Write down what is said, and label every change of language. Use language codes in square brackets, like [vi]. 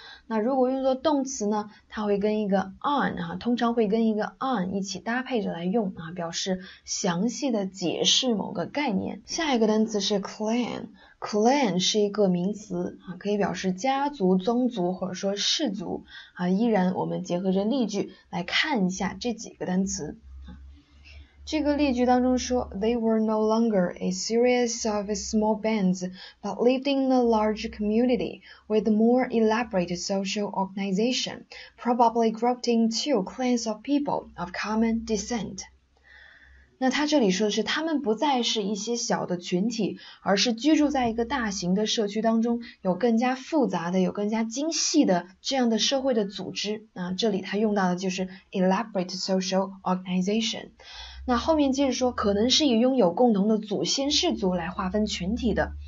[zh] 那如果用作动词呢，它会跟一个 on 啊，通常会跟一个 on 一起搭配着来用啊，表示详细的解释某个概念。下一个单词是 clan 是一个名词啊，可以表示家族、宗族或者说氏族啊。依然我们结合着例句来看一下这几个单词。这个例句当中说 [en] ，They were no longer a series of small bands, but lived in a large community with more elaborate social organization, probably grouping two clans of people of common descent. [zh] 那他这里说的是，他们不再是一些小的群体，而是居住在一个大型的社区当中，有更加复杂的、有更加精细的这样的社会的组织。那这里他用到的就是 [en] elaborate social organization。 [zh] 那后面接着说，可能是以拥有共同的祖先氏族来划分群体的。